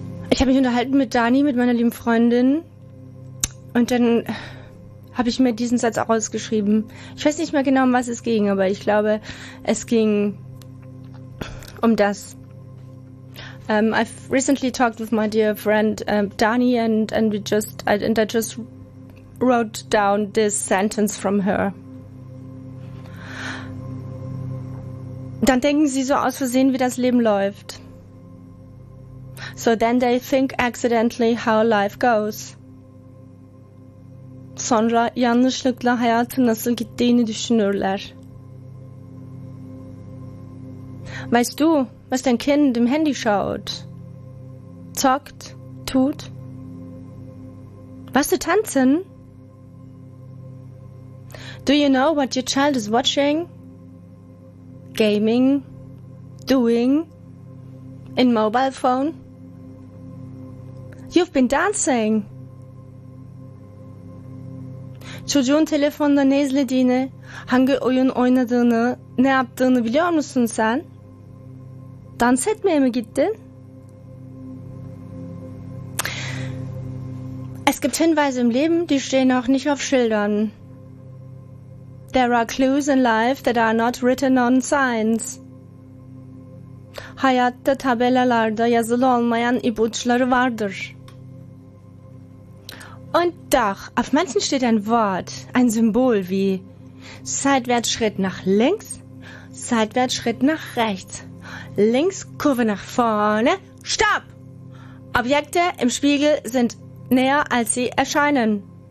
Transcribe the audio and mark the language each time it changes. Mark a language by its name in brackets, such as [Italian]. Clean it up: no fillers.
[German] Ich habe mich unterhalten mit Dani, mit meiner lieben Freundin. Und dann habe ich mir diesen Satz auch rausgeschrieben. Ich weiß nicht mehr genau, um was es ging, aber ich glaube, es ging um das. [English] I've recently talked with my dear friend Dani and I just wrote down this sentence from her. [German] Dann denken sie so aus Versehen, wie das Leben läuft. [English] So then they think accidentally how life goes. [Turkish] Sonra yanlışlıkla hayatın nasıl gittiğini düşünürler. [German] Weißt du, was dein Kind im Handy schaut, zockt, tut? Was sie tanzen? [English] Do you know what your child is watching? Gaming, doing, in mobile phone? You've been dancing. [Turkish] Çocuğun telefonda ne izlediğini, hangi oyun oynadığını, ne yaptığını biliyor musun sen? Dans etmeye mi gittin? [German] Es gibt Hinweise im Leben, die stehen auch nicht auf Schildern. [English] There are clues in life that are not written on signs. [Turkish] Hayatta tabelalarda yazılı olmayan ipuçları vardır. [German] Und doch, auf manchen steht ein Wort, ein Symbol wie Seitwärtsschritt nach links, Seitwärtsschritt nach rechts, links Kurve nach vorne, Stopp! Objekte im Spiegel sind näher, als sie erscheinen.